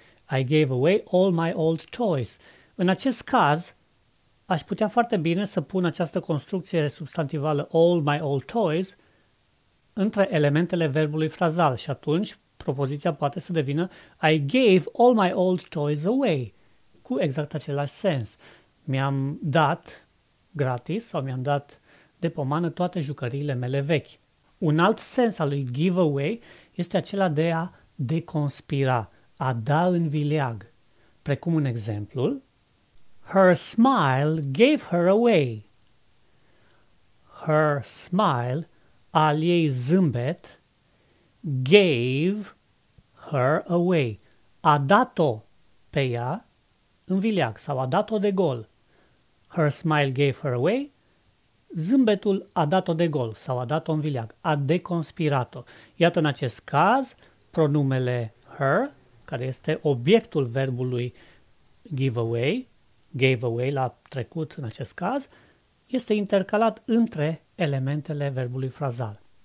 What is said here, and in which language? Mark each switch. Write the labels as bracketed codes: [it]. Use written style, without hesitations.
[en] I gave away all my old toys. [ro] În acest caz, aș putea foarte bine să pun această construcție substantivală [en] all my old toys [ro] între elementele verbului frazal și atunci propoziția poate să devină [en] I gave all my old toys away, [ro] cu exact același sens. Mi-am dat gratis sau mi-am dat de pomană toate jucăriile mele vechi. Un alt sens al lui give away este acela de a deconspira, a da în vileag, precum în exemplul [en] her smile gave her away. Her smile, [ro] al ei zâmbet, [en] gave her away. [ro] A dat-o pe ea în vileag sau a dat-o de gol. [en] Her smile gave her away. [ro] Zâmbetul a dat-o de gol sau a dat-o în vileag. A deconspirat-o. Iată în acest caz pronumele her, care este obiectul verbului give away, gave away la trecut în acest caz, este intercalat între elementele verbului frazal.